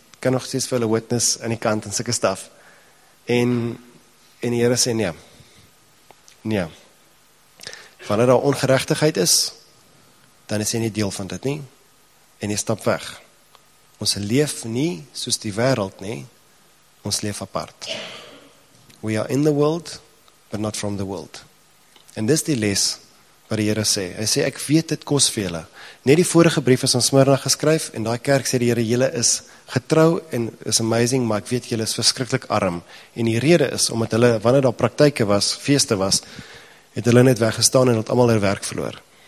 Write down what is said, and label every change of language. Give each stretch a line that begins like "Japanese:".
Afrikaans: kan nog steeds vir hulle witness aan die kant en sulke staf. En die Here sê nee. Nee. Wanneer daar ongeregtigheid is, dan is jy nie deel van dit nie. En jy stap weg. Ons leef nie soos die wêreld nie. Ons leef apart.
English: We are in the world, but not from the world.
Afrikaans: En dis die les wat die Here sê. Hy sê, ek weet dit kos vir julle. Net die vorige brief is aan Smyrna geskryf, en daai kerk sê die Here, julle is getrou en is amazing, maar ek weet julle is verskriklik arm. En die rede is, omdat hulle, wanneer daar praktyke was, feeste was, het hulle net weggestaan en het allemaal hulle werk verloor.